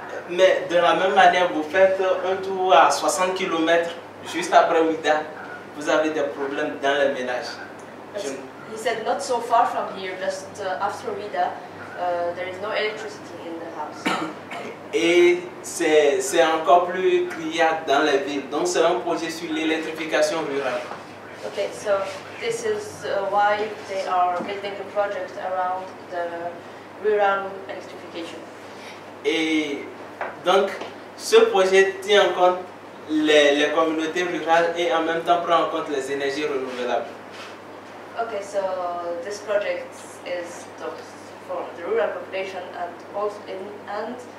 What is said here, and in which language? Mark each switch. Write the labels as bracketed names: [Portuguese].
[French] Mais de la même manière, vous faites un tour à 60 km juste après Ouida, vous avez des problèmes dans le ménage. [English] He said not so far from here, just after Ouida, there is no electricity in the house. [French] Et c'est encore plus criant dans les villes. Donc c'est un projet sur l'électrification rurale. [English] Okay, so this is why they are building a project around the rural electrification. [French] Et donc, ce projet tient en compte les communautés rurales et en même temps prend en compte les énergies renouvelables. [English] Okay, so this project is for the rural population and also in and